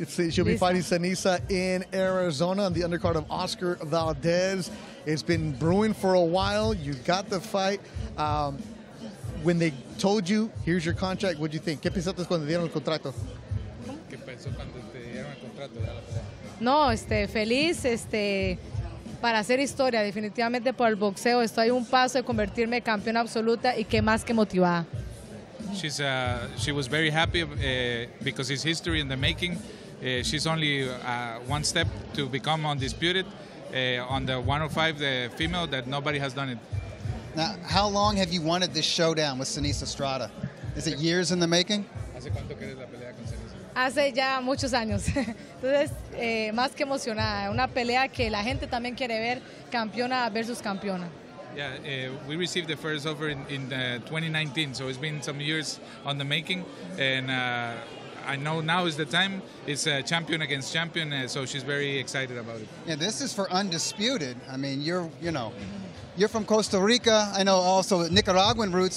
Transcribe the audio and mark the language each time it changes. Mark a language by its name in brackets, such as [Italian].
[English] She'll be fighting Ceniza in Arizona on the undercard of Oscar Valdez. It's been brewing for a while. You got the fight. When they told you, here's your contract, what'd you think? [Spanish] ¿Qué pensaste cuando dieron el contrato? ¿Qué pensó cuando te dieron el contrato? No, feliz, para hacer historia, definitivamente por el boxeo. Estoy a un paso de convertirme en campeona absoluta y qué más que motivada. [English] She was very happy because it's history in the making. She's only one step to become undisputed on the 105, the female that nobody has done it. Now, how long have you wanted this showdown with Ceniza Estrada? Is it years in the making? [Spanish] Hace ya muchos años. Entonces, más que emocionada. Una pelea que la gente también quiere ver, campeona versus campeona. [English] Yeah, we received the first offer in 2019, so it's been some years on the making. And I know now is the time. It's a champion against champion, so she's very excited about it. Yeah, this is for undisputed. I mean, you're, you know... You're from Costa Rica. I know also Nicaraguan roots.